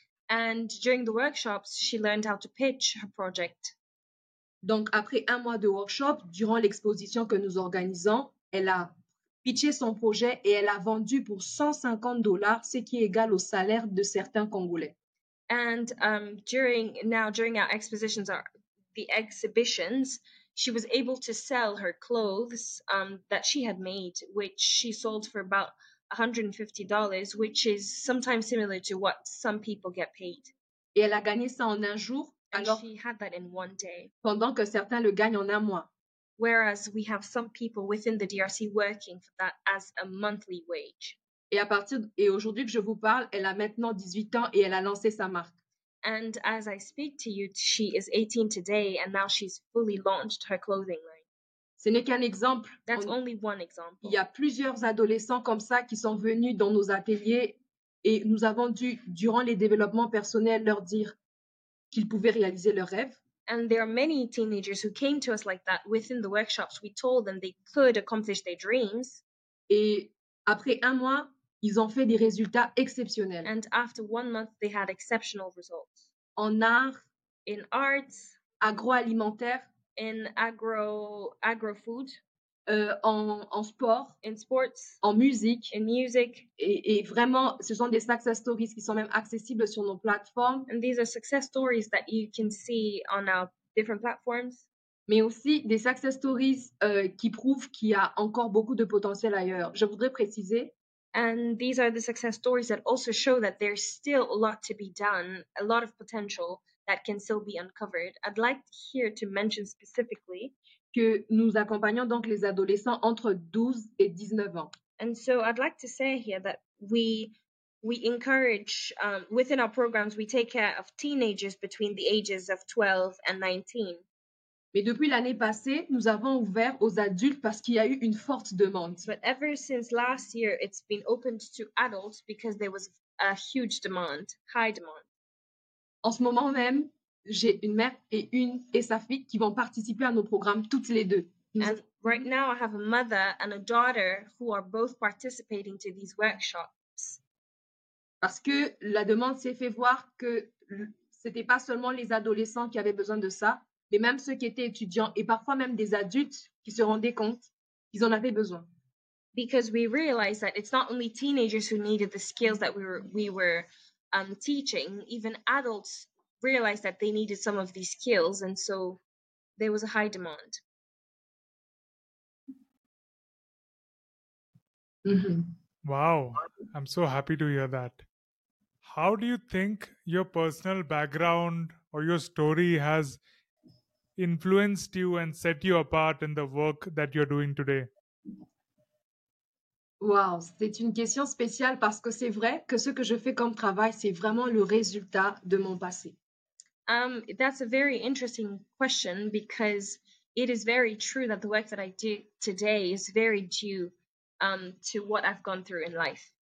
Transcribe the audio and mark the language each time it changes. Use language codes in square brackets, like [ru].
[en] And during the workshops, she learned how to pitch her project. [fr] Donc après un mois de workshop, durant l'exposition que nous organisons, elle a pitché son projet et elle a vendu pour $150, ce qui est égal au salaire de certains Congolais. [en] And during our expositions, the exhibitions, she was able to sell her clothes that she had made, which she sold for about $150, which is sometimes similar to what some people get paid. [fr] Et elle a gagné ça en un jour. [en] And [fr] alors, [en] she had that in one day. [fr] Pendant que certains le gagnent en un mois. [en] Whereas we have some people within the DRC working for that as a monthly wage. [fr] Et aujourd'hui que je vous parle, elle a maintenant 18 ans et elle a lancé sa marque. [en] And as I speak to you, she is 18 today and now she's fully launched her clothing line. [fr] Ce n'est qu'un exemple. [en] That's only one example. [fr] Il y a plusieurs adolescents comme ça qui sont venus dans nos ateliers et nous avons dû, durant les développements personnels, leur dire qu'ils pouvaient réaliser leurs rêves. [en] And there are many teenagers who came to us like that within the workshops. We told them they could accomplish their dreams. [fr] Et après un mois, ils ont fait des résultats exceptionnels. [en] And after 1 month, they had exceptional results. [fr] En art. [en] In arts. [fr] Agroalimentaire. [en] In agro-food. [fr] En sport. [en] In sports. [fr] En musique. [en] In music. [fr] Et vraiment, ce sont des success stories qui sont même accessibles sur nos plateformes. [en] And these are success stories that you can see on our different platforms. [fr] Mais aussi des success stories qui prouvent qu'il y a encore beaucoup de potentiel ailleurs. Je voudrais préciser. [en] And these are the success stories that also show that there's still a lot to be done, a lot of potential that can still be uncovered. I'd like here to mention specifically [fr] que nous accompagnons donc les adolescents entre 12 et 19 ans. [en] And so I'd like to say here that we encourage, within our programs, we take care of teenagers between the ages of 12 and 19. [fr] Mais depuis l'année passée, nous avons ouvert aux adultes parce qu'il y a eu une forte demande. [en] But ever since last year, it's been opened to adults because there was a huge demand, high demand. [fr] En ce moment même, j'ai une mère et une et sa fille qui vont participer à nos programmes toutes les deux. [en] And right now I have a mother and a daughter who are both participating to these workshops. [fr] Parce que la demande s'est fait voir que c'était pas seulement les adolescents qui avaient besoin de ça, mais même ceux qui étaient étudiants et parfois même des adultes qui se rendaient compte qu'ils en avaient besoin. [en] Because we realized that it's not only teenagers who needed the skills that we were teaching, even adults realized that they needed some of these skills, and so there was a high demand. Mm-hmm. Wow, I'm so happy to hear that. How do you think your personal background or your story has influenced you and set you apart in the work that you're doing today? [fr] Wow, c'est une question spéciale parce que c'est vrai que ce que je fais comme travail, c'est vraiment le résultat de mon passé. [en] That's a very interesting question because it is very true that the work that I do today is very due to what I've gone through in life.